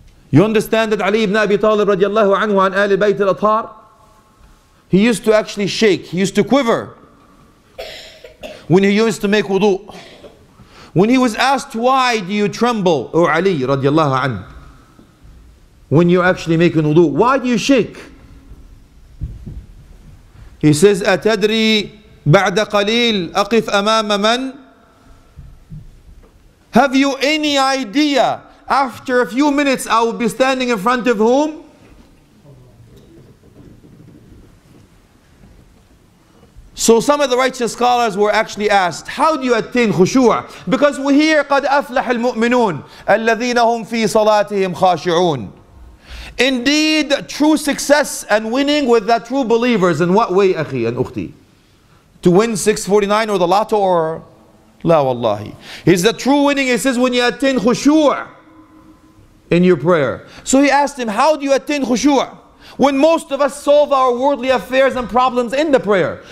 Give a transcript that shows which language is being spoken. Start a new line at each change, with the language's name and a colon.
English: You understand that Ali ibn Abi Talib radiallahu anhu and Ali Bayt al-Athar, he used to actually shake, he used to quiver when he used to make wudu. When he was asked, why do you tremble, O Ali radiallahu anhu, when you're actually making wudu, why do you shake? He says,
Arabic: أتدري بعد قليل أقف أمام من.
English: Have you any idea after a few minutes I will be standing in front of whom? So some of the righteous scholars were actually asked, how do you attain khushu'? Because we hear
Arabic: قد أفلح المؤمنون الذين هم في صلاتهم خاشعون.
English: Indeed, true success and winning with the true believers. In what way, akhi and ukhti? to win 649 or the lotto or la wallahi. He's the true winning. He says when you attain khushu' in your prayer. So he asked him, how do you attain khushu' when most of us solve our worldly affairs and problems in the prayer?